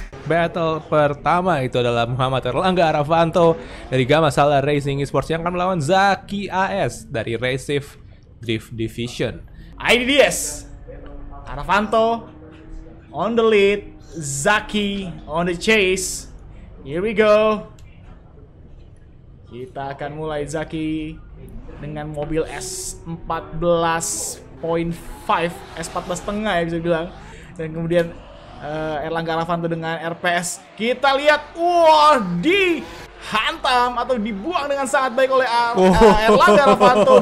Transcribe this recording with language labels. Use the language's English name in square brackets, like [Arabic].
[Indonesian] battle pertama itu adalah Muhammad Erlangga Aravanto dari Gama Sala Racing Esports yang akan melawan Zaki AS dari Racive Drift Division. [English] IDDS, Aravanto on the lead, Zaki on the chase. Here we go. [Indonesian] Kita akan mulai Zaki dengan mobil S14.5, S14.5 ya bisa bilang. Dan kemudian Erlangga Aravanto dengan RPS. Kita lihat, wah, dihantam atau dibuang dengan sangat baik oleh Erlangga Aravanto.